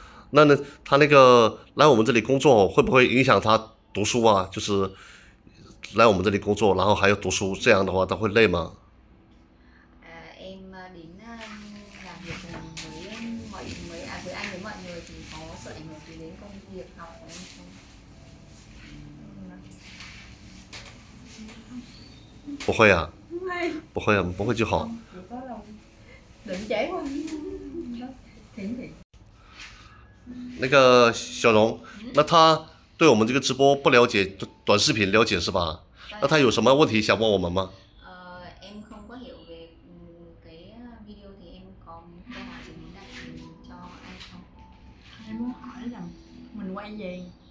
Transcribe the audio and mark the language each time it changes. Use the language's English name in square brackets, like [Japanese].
[Chinese] 那他那个来我们这里工作会不会影响他？读书啊，就是来我们这里工作，然后还要读书，这样的话他会累吗？ [Vietnamese] Em đến làm việc cùng với mọi người à với anh với mọi người thì có sợ ảnh hưởng gì đến công việc học của em không? [Chinese] 不会啊， [Vietnamese] Không phải. [Chinese] 不会啊，不会就好。 [Vietnamese] Không, chỉ có là đừng trễ quá. Thỉnh [Chinese] 那个小龙，那他。对我们这个直播不了解，短视频了解是吧？那他有什么问题想问我们吗？ [Vietnamese] Em không có hiểu về cái video thì em có câu hỏi gì muốn đặt cho anh không? Em muốn hỏi là mình quay gì?